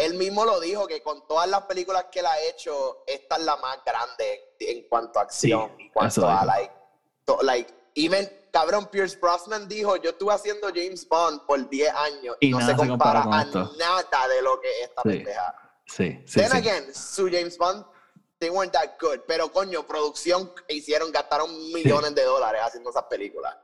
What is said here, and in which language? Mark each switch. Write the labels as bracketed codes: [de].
[es] Él mismo lo dijo que con todas las películas que él ha hecho, esta es la más grande en cuanto a acción. Sí, en cuanto a even cabrón, Pierce Brosnan dijo, yo estuve haciendo James Bond por 10 años y no se compara a esto. Nada de lo que esta pendeja. Sí, sí. [en] Then again, su James Bond, they weren't that good. [es] Pero coño, producción hicieron, gastaron millones de dólares haciendo esas películas.